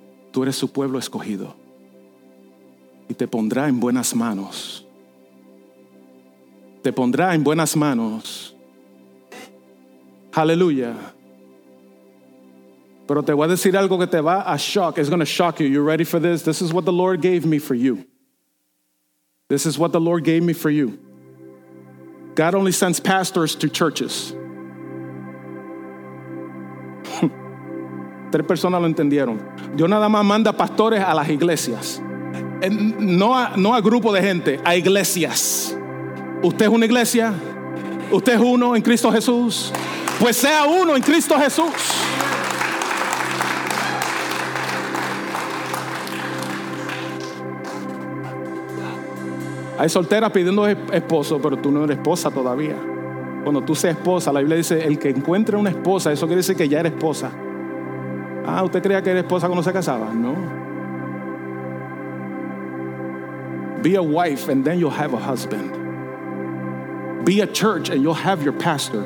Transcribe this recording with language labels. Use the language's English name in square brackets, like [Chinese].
[Spanish] Tú eres su pueblo escogido y te pondrá en buenas manos. Te pondrá en buenas manos. Aleluya. Pero te voy a decir algo que te va a shock. [English] It's going to shock you. You ready for this? This is what the Lord gave me for you. This is what the Lord gave me for you. God only sends pastors to churches. [Spanish] Tres personas lo entendieron. Dios nada más manda pastores a las iglesias. No a grupo de gente, a iglesias. ¿Usted es una iglesia? ¿Usted es uno en Cristo Jesús? Pues sea uno en Cristo Jesús. Hay solteras pidiendo esposo, pero tú no eres esposa todavía. Cuando tú seas esposa, la Biblia dice, el que encuentre una esposa, eso quiere decir que ya eres esposa. Ah, ¿usted creía que era esposa cuando se casaba? No. [English] Be a wife and then you'll have a husband. Be a church and you'll have your pastor.